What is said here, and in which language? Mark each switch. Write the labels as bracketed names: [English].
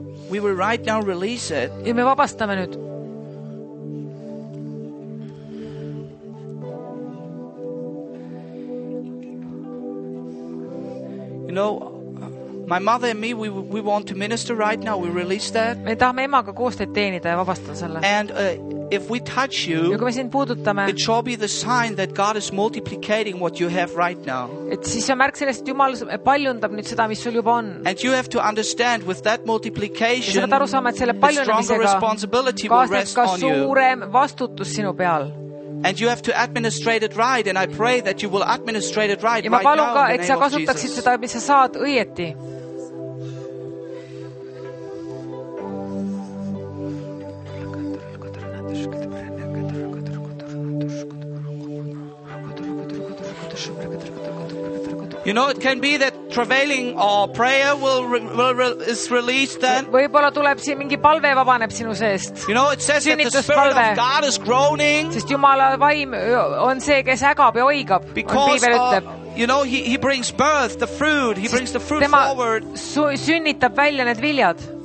[English] We will right now release it. [Estonian] Ja me vabastame nüüd. [English] You know, my mother and me, we want to minister right now. We release that. [Estonian] Me tahame emaga koos teenida ja vabastada selle. [English] And if we touch you, [Estonian] ja kui me siin puudutame, [English] it shall be the sign that God is multiplicating what you have right now. [Estonian] Et siis on märk sellest, et Jumal paljundab nüüd seda, mis sul juba on. [English] And you have to understand with that multiplication, [Estonian] ja seda aru saama, et selle paljundamisega, [English] stronger responsibility will rest on you. [Estonian] Suurem vastutus sinu peal. [English] And you have to administrate it right, and I pray that you will administrate it right [Estonian] ja ma palun ka, [English] right now, [Estonian] et sa kasutaksid seda, mis sa saad õieti. [English] You know, it can be that travailing or prayer is released then. [Estonian] Võib-olla tuleb siin mingi palve vabaneb sinu seest. [English] You know, it says that the spirit of God is groaning. [Estonian] Sest Jumala vaim on see, kes ägab ja oigab. [English] Because, you know, he brings birth, the fruit. He brings the fruit forward. [Estonian] Tema sünnitab välja need viljad.